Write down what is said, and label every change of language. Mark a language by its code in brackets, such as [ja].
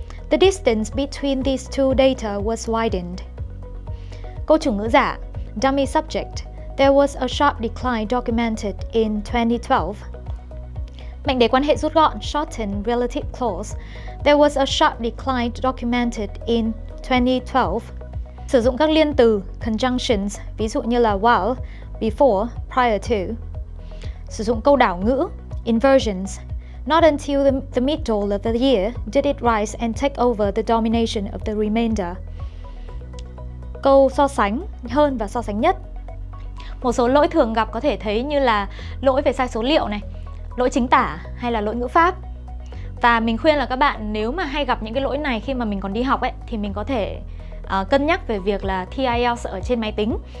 [en] The distance between these two data was widened. [vi] Câu chủ ngữ giả, [en] dummy subject. There was a sharp decline documented in 2012. [vi] Mệnh đề quan hệ rút gọn, shorten relative clause. [en] There was a sharp decline documented in 2012. [vi] Sử dụng các liên từ, conjunctions, ví dụ như là while, before, prior to. Sử dụng câu đảo ngữ, inversions. [en] Not until the middle of the year did it rise and take over the domination of the remainder. [vi] Câu so sánh, hơn và so sánh nhất. Một số lỗi thường gặp có thể thấy như là lỗi về sai số liệu này, lỗi chính tả hay là lỗi ngữ pháp. Và mình khuyên là các bạn nếu mà hay gặp những cái lỗi này khi mà mình còn đi học ấy, thì mình có thể cân nhắc về việc là thi IELTS ở trên máy tính.